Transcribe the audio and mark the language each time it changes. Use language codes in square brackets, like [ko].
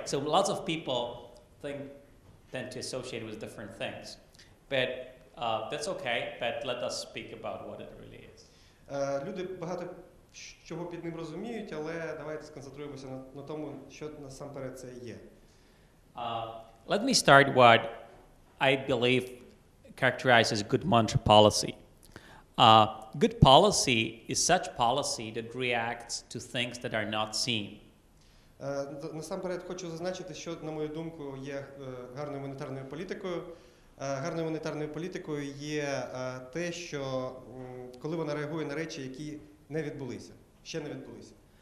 [en] So lots of people tend to associate it with different things. But that's okay, but let us speak about what it really is. [uk] Люди багато чого під ним розуміють, але давайте сконцентруємося на тому, що насамперед це є. [en] Let me start what I believe characterizes good monetary policy. Good policy is such policy that reacts to things that are not seen. [uk] Насамперед хочу зазначити, що, на мою думку, є гарною монетарною політикою. Гарною монетарною політикою є те, що коли вона реагує на речі, які не відбулися, ще не відбулися.